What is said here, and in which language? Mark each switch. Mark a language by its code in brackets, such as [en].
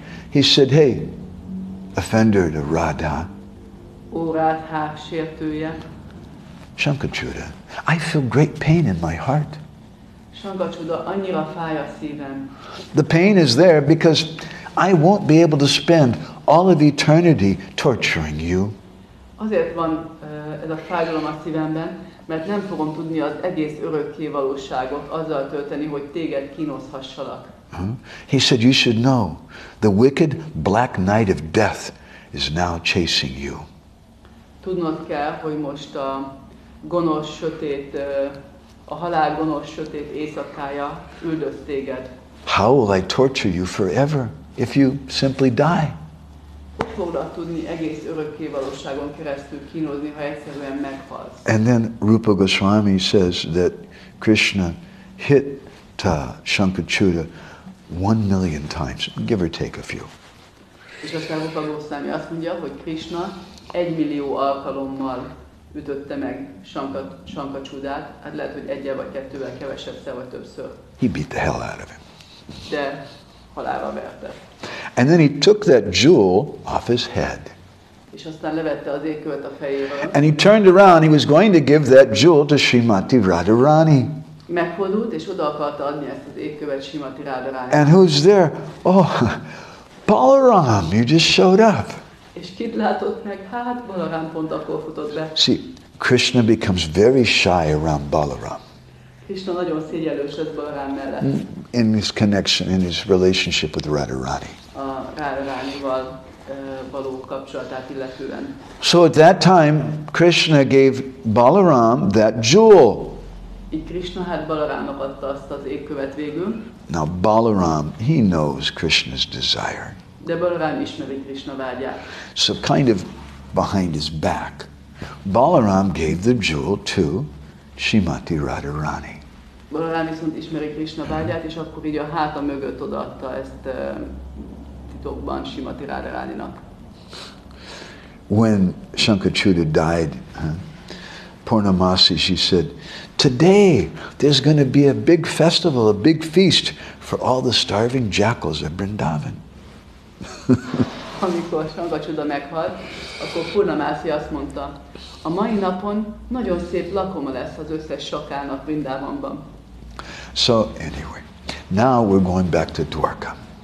[en] He said, hey, offender to Radha. [hu] O Radha sértője. [en] Shankachuda, I feel great pain in my heart. [hu] Shankachuda, annyira fáj a szívem. [en] The pain is there because I won't be able to spend all of eternity torturing you. [hu] Azért van ez a fájdalom a szívemben, mert nem fogom tudni az egész örökké valóságot azzal tölteni, hogy téged kínozhassalak. [en] He said, you should know, the wicked black night of death is now chasing you. [hu] Tudnod kell, hogy most a gonosz sötét, a halál gonosz sötét éjszakája üldöz téged. [en] How will I torture you forever if you simply die? [hu] Hogy fogod tudni egész örökké valóságon keresztül kínozni, ha egyszerűen meghalsz? [en] And then Rupa Goswami says that Krishna hit ta Shankachuda 1 million times, give or take a few. [hu] És aztán Rupa Goswami azt mondja, hogy Krishna 1 millió alkalommal ütötte meg Shankachudát, hát lehet, hogy egyel vagy kettővel kevesebbszer vagy többször. [en] He beat the hell out of him. [hu] De halálra verte. [en] And then he took that jewel off his head. [hu] És aztán levette az ékövet a fejéről. [en] And he turned around, he was going to give that jewel to Srimati Radharani. [hu] Megfordult, és oda akarta adni ezt az ékövet Srimati Radharani. [en] And who's there? Oh, Balaram, you just showed up. [hu] És kit látott meg? Hát Balaram pont akkor futott be. [en] See, Krishna becomes very shy around Balaram. [hu] Krishna nagyon szégyellős lesz Balaram mellett. [en] In his connection, in his relationship with Radharani. [hu] A Radharanival való kapcsolatát illetően. [en] So at that time, Krishna gave Balaram that jewel. [hu] Így Krishna hát Balarámnak adta azt az ékkövet végül. [en] Now Balaram, he knows Krishna's desire. [hu] De Balaram ismeri Krishna vágyát. [en] So kind of behind his back, Balaram gave the jewel to Srimati Radharani. [hu] Balaram viszont ismeri Krishna vágyát, és akkor így a háta mögött odaadta ezt titokban Srimati Radharaninak. [en] When Shankachuda died, Purnamasi, she said, today there's going to be a big festival, a big feast for all the starving jackals of Vrindavan. [hu] Amikor Shankachuda meghalt, akkor Purnamasi azt mondta, a mai napon nagyon szép lakoma lesz az összes sakának Vrindavanban. [en] So anyway, now we're going back to Dwarka.